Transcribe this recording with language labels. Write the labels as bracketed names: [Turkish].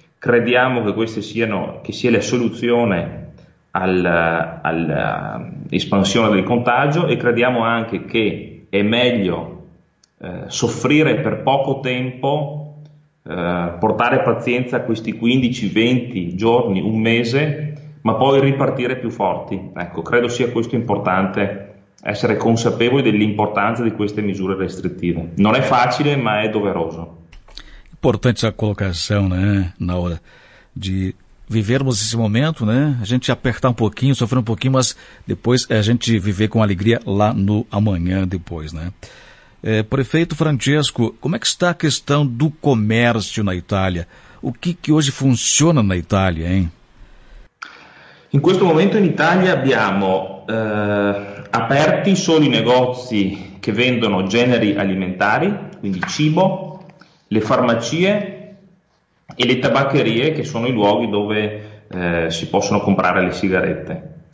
[Italian] Crediamo che queste siano, che sia la soluzione all'espansione del contagio, e crediamo anche che è meglio soffrire per poco tempo, portare pazienza a questi 15, 20 giorni, un mese, ma poi ripartire più forti. Ecco, credo sia questo importante, essere consapevoli dell'importanza di queste misure restrittive. Non è facile, ma è doveroso. [Portuguese] Importante a colocação, né, na hora de vivermos esse momento, né, a gente apertar um pouquinho, sofrer um pouquinho, mas depois a gente viver com alegria lá no amanhã depois, né. Prefeito Francesco, como é que está a questão do comércio na Itália? O que que hoje funciona na Itália, hein? [Italian] In questo momento in Italia abbiamo aperti solo i negozi che vendono generi alimentari, quindi cibo, le farmacie e le tabaccherie, che sono i luoghi dove si possono comprare le sigarette.